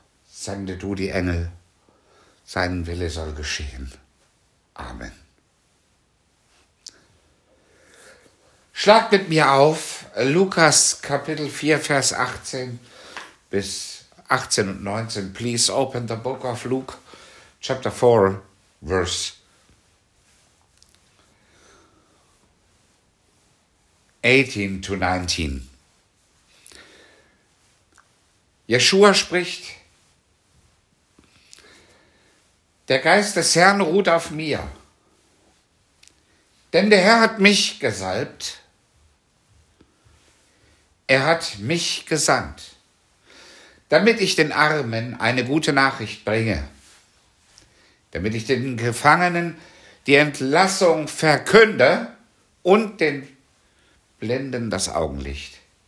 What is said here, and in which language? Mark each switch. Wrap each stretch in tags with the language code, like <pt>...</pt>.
<de>Sende du die Engel, sein Wille soll geschehen. Amen. Schlag mit mir auf, Lukas Kapitel 4, Vers 18 bis 18 und 19.</de> <en>Please open the book of Luke, Chapter 4, Verse 18 to 19.</en> <de>Jeshua spricht, der Geist des Herrn ruht auf mir, denn der Herr hat mich gesalbt, er hat mich gesandt, damit ich den Armen eine gute Nachricht bringe, damit ich den Gefangenen die Entlassung verkünde und den Blinden das Augenlicht.</de>